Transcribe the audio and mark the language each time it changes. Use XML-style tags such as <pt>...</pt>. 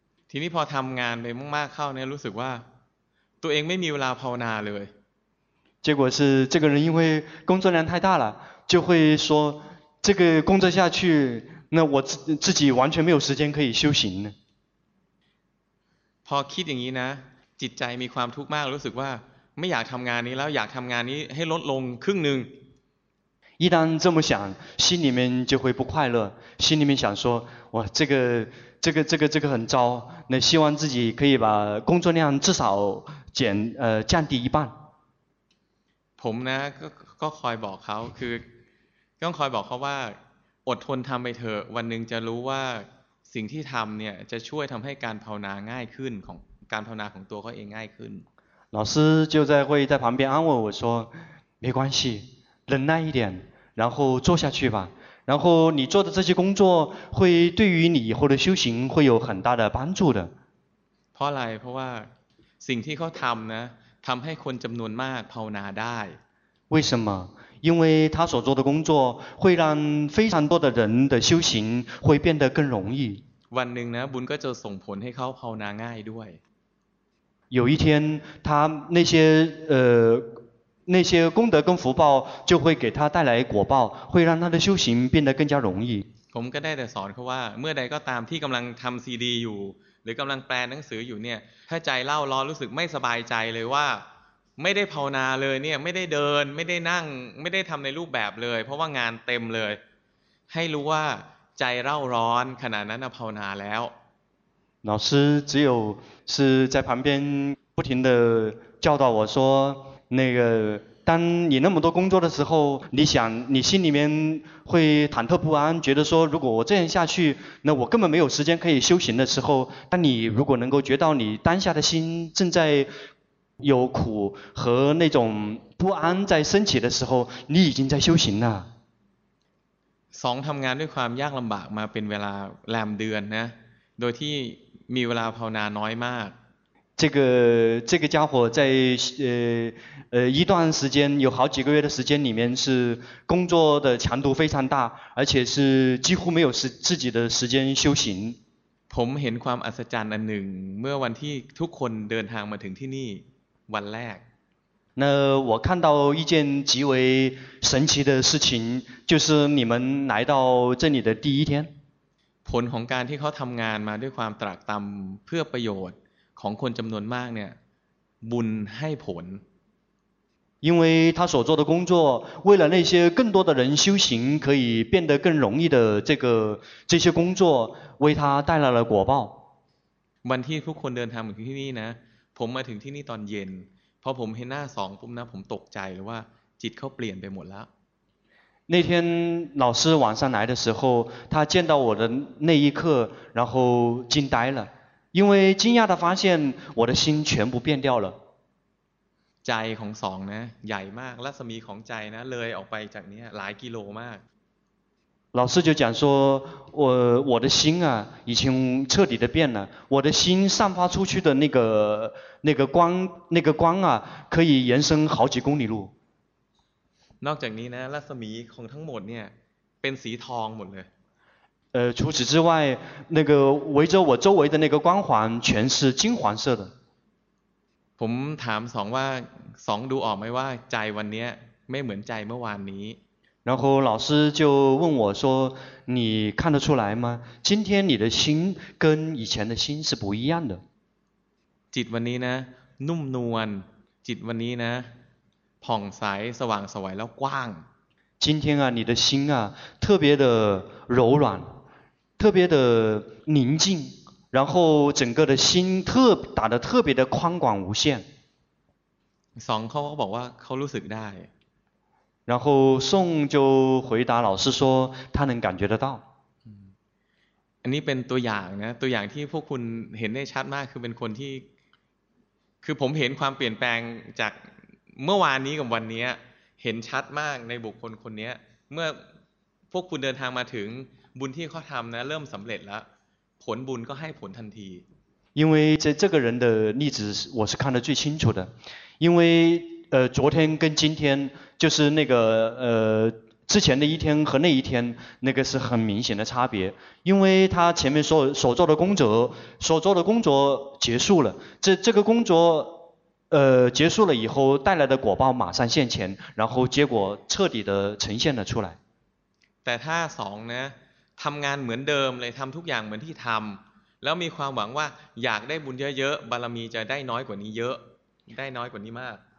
<th>ทีนี้พอทำงานไปมากๆเข้าเนี่ยรู้สึกว่าตัวเองไม่มีเวลาภาวนาเลย</th> <zh>结果是这个人因为工作量太大了就会说这个工作下去那我自己完全没有时间可以修行</zh> <th>พอคิดอย่างนี้นะจิตใจมีความทุกข์มากรู้สึกว่าไม่อยากทำงานนี้แล้วอยากทำงานนี้ให้ลดลงครึ่งนึง</th> <zh>一旦这么想心里面就会不快乐心里面想说哇这个很糟那希望自己可以把工作量至少降低一半</zh> <th>ผมนะก็คอยบอกเขาคือ ต้องคอยบอกเขาว่าอดทนทำไปเถอะวันหนึ่งจะรู้ว่าสิ่งที่ทำเนี่ยจะช่วยทำให้การภาวนาง่ายขึ้นของการภาวนาของตัวเขาเองง่ายขึ้น</th> <zh>老师就在会在旁边安慰我说没关系忍耐一点然后做下去吧然后你做的这些工作会对于你以后的修行会有很大的帮助的</zh> <th>เพราะอะไรเพราะว่าสิ่งที่เขาทำนะทำให้คนจำนวนมากภาวนาได้</th> <zh>为什么因为他所做的工作会让非常多的人的修行会变得更容易</zh> <th>วันหนึ่งนะบุญก็จะส่งผลให้เขาภาวนาง่ายด้วย</th> <zh>有一天他那些功德跟福报就会给他带来果报会让他的修行变得更加容易</zh> <th>ผมก็ได้แต่สอนเขาว่าเมื่อใดก็ตามที่กำลังทำซีดีอยู่หรือกำลังแปลหนังสืออยู่เนี่ยถ้าใจเล่าร้อนรู้สึกไม่สบายใจเลยว่าไม่ได้ภาวนาเลยเนี่ยไม่ได้เดินไม่ได้นั่งไม่ได้ทำในรูปแบบเลยเพราะว่างานเต็มเลยให้รู้ว่าใจเร่าร้อนขณะนั้นภาวนาแล้ว</th> <zh>老师只有是在旁边不停的教导我说那个当你那么多工作的时候你想你心里面会忐忑不安觉得说如果我这样下去那我根本没有时间可以修行的时候但你如果能够觉到你当下的心正在有苦和那种不安在升起的时候你已经在修行了</zh> <th>สองทำงานด้วยความยากลำบากมาเป็นเวลาแรมเดือนนะโดยที่มีเวลาภาวนาน้อยมาก</th> <zh>这个家伙在一段时间有好几个月的时间里面是工作的强度非常大而且是几乎没有自己的时间修行</zh> <th>ผมเห็นความอัศจรรย์อันหนึ่งเมื่อวันที่ทุกคนเดินทางมาถึงที่นี่วันแรก</th> <zh>那我看到一件极为神奇的事情就是你们来到这里的第一天</zh> <th>ผลของการที่เขาทำงานมาด้วยความตรากตำเพื่อประโยชน์ของคนจำนวนมากเนี่ยบุญให้ผล</th> <zh>因为他所做的工作为了那些更多的人修行可以变得更容易的这些工作为他带来了果报</zh> <th>วันที่ทุกคนเดินทางมาที่นี่นะผมมาถึงที่นี่ตอนเย็นพอผมเห็นหน้าสองปุ๊บนะผมตกใจเลยว่าจิตเขาเปลี่ยนไปหมดแล้ว</th> <zh>那天老师晚上来的时候他见到我的那一刻然后惊呆了因为惊讶的发现我的心全部变掉了</zh> <th>ใจของสองนะใหญ่มากรัศมีของใจนะเลยออกไปจากนี้หลายกิโลมาก</th> <zh>老师就讲说我的心啊已经彻底的变了我的心散发出去的那个光啊可以延伸好几公里路</zh> <th>นอกจากนี้นะรัศมีของทั้งหมดเนี่ยเป็นสีทองหมดเลย</th> <zh>除此之外那个围着我周围的那个光环全是金黄色的</zh> <th>ผมถามสองว่าสองดูออกไหมว่าใจวันนี้ไม่เหมือนใจเมื่อวานนี้</th> <zh>然后老师就问我说你看得出来吗今天你的心跟以前的心是不一样的</zh> <th>จิตวันนี้นะนุ่มนวลจิตวันนี้นะผ่องใสสว่างสวยแล้วกว้าง</th> <zh>今天啊你的心啊特别的柔软特别的宁静然后整个的心打得特别的宽广无限</zh> <th>สองเขาบอกว่าเขารู้สึกได้</th> <zh>然后宋就回答老师说他能感觉得到</zh> <th>อันนี้เป็นตัวอย่างนะตัวอย่างที่พวกคุณเห็นได้ชัดมากคือเป็นคนที่คือผมเห็นความเปลี่ยนแปลงจากเมื่อวานนี้กับวันนี้เห็นชัดมากในบุคคลคนนี้เมื่อพวกคุณเดินทางมาถึงบุญที่เขาทำนะเริ่มสำเร็จแล้วผลบุญก็ให้ผลทันที</th> <zh>因为这个人的例子我是看得最清楚的因为昨天跟今天就是那个之前的一天和那一天那个是很明显的差别因为他前面所做的工作结束了这个工作结束了以后带来的果报马上现前然后结果彻底的呈现了出来</zh> <th>แต่ถ้าสองนะทำงานเหมือนเดิมเลยทำทุกอย่างเหมือนที่ทำแล้วมีความหวังว่าอยากได้บุญเยอะๆบารมีจะได้น้อยกว่านี้เยอะได้น้อยกว่านี้มาก</th>